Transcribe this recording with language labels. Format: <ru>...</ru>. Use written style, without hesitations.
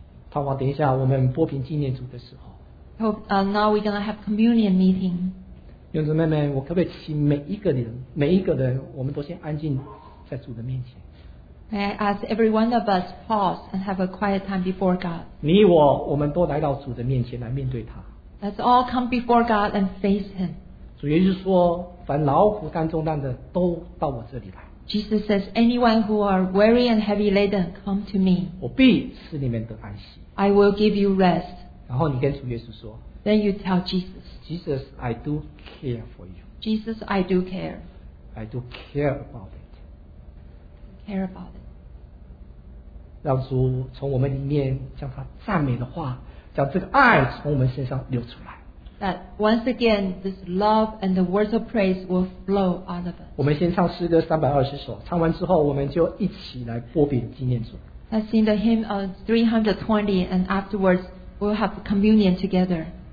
<zh>盼望等一下我们波平纪念组的时候。</zh> <en>Hope, now we're going to have communion meeting.</en> <zh>弟兄妹妹，我可不可以请每一个人，每一个人，我们都先安静在主的面前。</zh> <en>May I ask every one of us pause and have a quiet time before God.</en> <zh>你我，我们都来到主的面前来面对他。</zh> <en>Let's all come before God and face Him.</en> <zh>主耶稣说，凡劳苦担重担的，都到我这里来。</zh> <en>Jesus says, anyone who are weary and heavy laden, come to me.</en> <zh>我必使你们得安息。</zh> <en>I will give you rest.</en> <zh>然后你跟主耶稣说。</zh> <en>Then you tell Jesus. Jesus, I do care for you. Jesus, I do care. I do care about it. Care about it.</en> <zh>让主从我们里面将他赞美的话，将这个爱从我们身上流出来。</zh> <en>That once again, this love and the words of praise will flow out of us.</en> <zh>我们先唱诗歌320首，唱完之后我们就一起来擘饼纪念主。</zh> <en>Let's sing the hymn of 320, and afterwards we'll have communion together.</en>